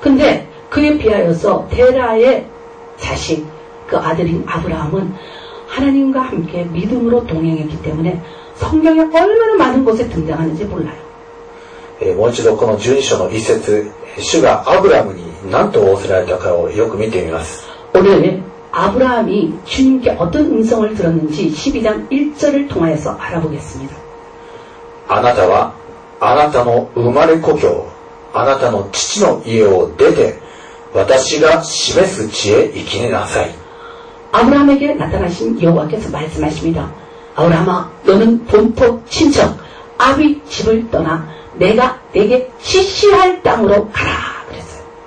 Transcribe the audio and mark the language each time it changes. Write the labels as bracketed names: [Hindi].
[Korean] 근데그에비하여서테라의자식그아들인아브라함은하나님과함께믿음으로동행했기때문에성경에얼마나많은곳에등장하는지몰라요 [Japanese] もう一度この12章の1節主がアブラムに何と仰せられたかをよく見てみます [Korean] 오늘아브라함이주님께어떤음성을들었는지12장1절을통하여서알아보겠습니다 [Japanese] あなたはあなたの生まれ故郷あなたの父の家を出て私が示す地へ行きなさい [Korean] 아브라함에게나타나신여호와께서말씀하십니다아브라함아너는본토친척아비집을떠나내가내게지시할땅으로가라그랬어요